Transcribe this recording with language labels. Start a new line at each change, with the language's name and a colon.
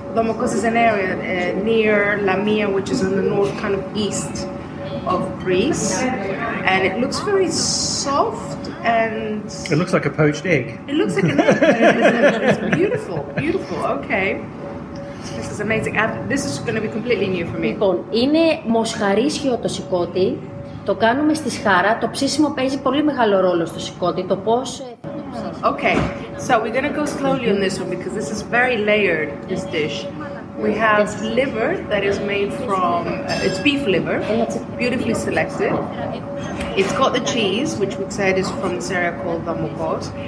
English: Domokos is an area near Lamia, which is in the north, kind of east of Greece. And it looks very soft and... It looks like a poached egg. It looks like an egg. It's beautiful, beautiful, okay. This is amazing. This is going to be completely new for me.
Greek: Λοιπόν, είναι μοσχαρίσιο το σηκώτι. Το κάνουμε στη σχάρα. Το ψήσιμο παίζει πολύ μεγάλο ρόλο στο σηκώτι. Το πώς...
English: Okay, so we're going to go slowly on this one because this is very layered, this dish. We have liver that is made from, it's beef liver, beautifully selected. It's got the cheese, which we said is from this area called Damokos.